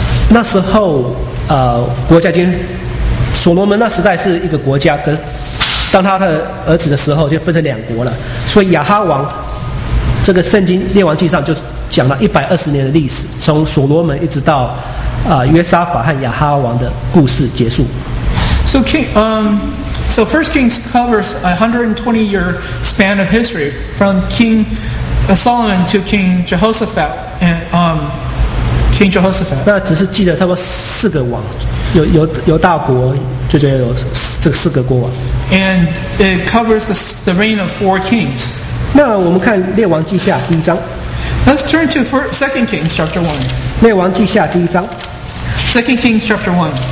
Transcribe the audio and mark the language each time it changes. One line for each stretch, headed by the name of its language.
Chinese: 那时候国家间所罗门那时代是一个国家，可是当他的儿子的时候就分成两国了。所以亚哈王，这个圣经列王记上就讲了120年的历史，从所罗门一直到约沙法和亚哈王的故事结束。
English: So King, so First Kings covers a 120-year span of history from King Solomon to King Jehoshaphat and King Jehoshaphat.
Chinese: 那只是记得差不多四个王，有大国，就有这四个国王。
English: And it covers the reign of four kings.
Chinese: 那我们看列王记下第一章。
English: Let's turn to Second Kings chapter one.
Chinese: 列王记下第一章。
English: Second Kings chapter one.